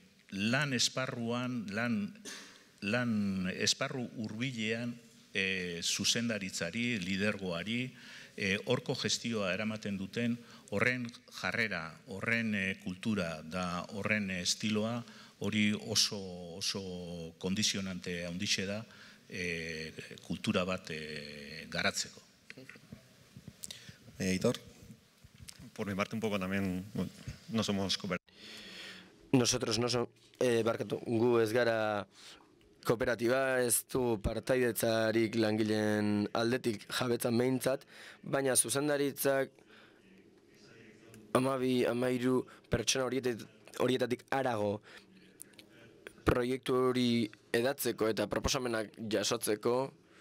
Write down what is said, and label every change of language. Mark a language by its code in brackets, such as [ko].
[eu] lan esparruan, lan esparru hurbilean zuzendaritzari, lidergoari, horko gestioa eramaten duten horren jarrera, horren kultura da horren estiloa, hori oso kondizionante handixe da kultura bat garatzeko. Aitor? [es] por mi parte un poco también no somos cooperativas. Nosotros no son [eu] barkatu, gu ez gara kooperatiba, ez du partaidetzarik langileen aldetik jabetzan behintzat, baina zuzendaritzak 12-13 pertsona horietatik harago proiektu hori edatzeko eta proposamenak jasotzeko